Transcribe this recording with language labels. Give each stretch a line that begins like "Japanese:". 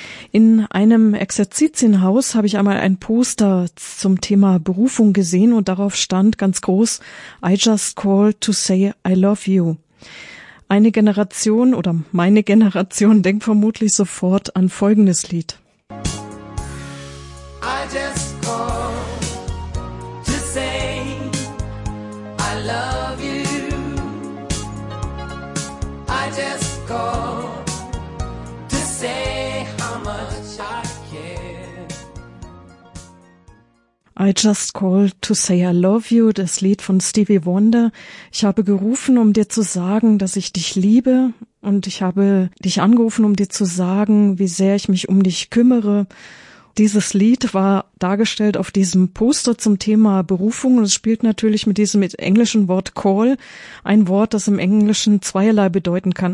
German: In einem Exerzitienhaus habe ich einmal ein Poster zum Thema Berufung gesehen und darauf stand ganz groß »
English: I just called to say I love you«.
German: Eine Generation oder meine Generation denkt vermutlich sofort an folgendes Lied.
English: I just called to say I love you. I just called to say how much I care. I just called to say I love you,
German: das Lied von Stevie Wonder. Ich habe gerufen, um dir zu sagen, dass ich dich liebe, und ich habe dich angerufen, um dir zu sagen, wie sehr ich mich um dich kümmere. Dieses Lied war dargestellt auf diesem Poster zum Thema Berufung und es spielt natürlich mit diesem englischen Wort call, ein Wort, das im Englischen zweierlei bedeuten kann.